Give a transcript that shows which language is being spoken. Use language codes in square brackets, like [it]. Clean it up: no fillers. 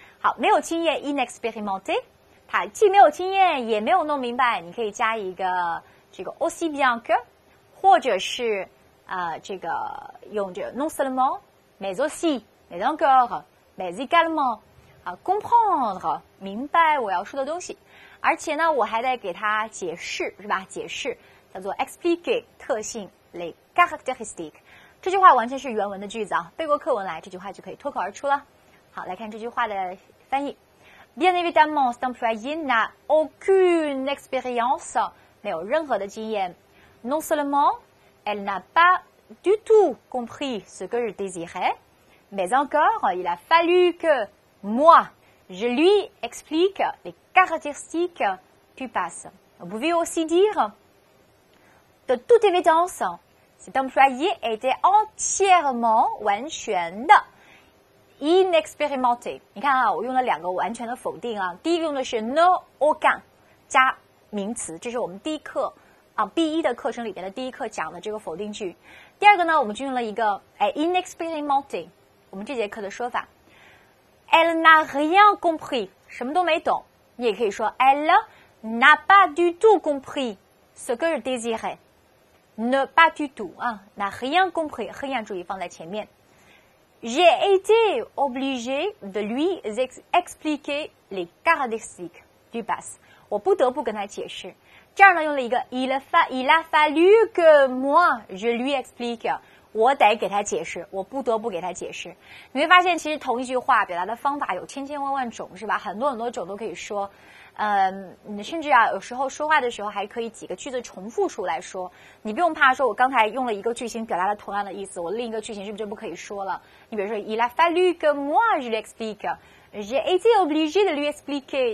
[zh] 好，没有经验 ，inexpérimenté。他既没有经验，也没有弄明白，你可以加一个这个 [fr] aussi bien que， [zh] 或者是这个用这个 [fr] non seulement mais aussi mais encore mais également [zh] 啊 comprendre 明白我要说的东西，而且呢，我还得给他解释是吧？解释叫做 expliquer 特性 les caractéristiques， 这句话完全是原文的句子啊，背过课文来，这句话就可以脱口而出了。好，来看这句话的翻译。 [fr] Bien évidemment, cet employé n'a aucune expérience, [zh] 没有任何的经验。 [fr] Non seulement, elle n'a pas du tout compris ce que je désirais, mais encore, il a fallu que moi, je lui explique les caractéristiques du pass. Vous pouvez aussi dire, de toute évidence, cet employé était entièrement, [zh] 完全的 [fr] inexperimenté， 你看啊，我用了两个完全的否定啊。 [zh] 第一个用的是 no organ 加名词，这是我们第一课啊 B1 的课程里面的第一课讲的这个否定句。第二个呢，我们就用了一个inexperimenté， 我们这节课的说法。 [fr] Elle n'a rien compris， [zh] 什么都没懂。你也可以说 [fr] Elle n'a pas du tout compris ce que je désirais， ne pas du tout 啊， n'a rien compris， rien [zh] 注意放在前面。 [fr] J'ai été obligé de lui expliquer les caractéristiques du pass. [zh] 我不得不跟他解释。这样呢，用了一个 [fr] il a fallu que moi je lui explique. [zh] 我得给他解释，我不得不给他解释。你会发现，其实同一句话表达的方法有千千万万种，是吧？很多很多种都可以说。你甚至啊，有时候说话的时候还可以几个句子重复出来说。你不用怕说，我刚才用了一个句型表达了同样的意思，我另一个句型是不是就不可以说了？你比如说 ， [fr] Il a fallu que moi je l'explique, j'ai été obligé de lui expliquer。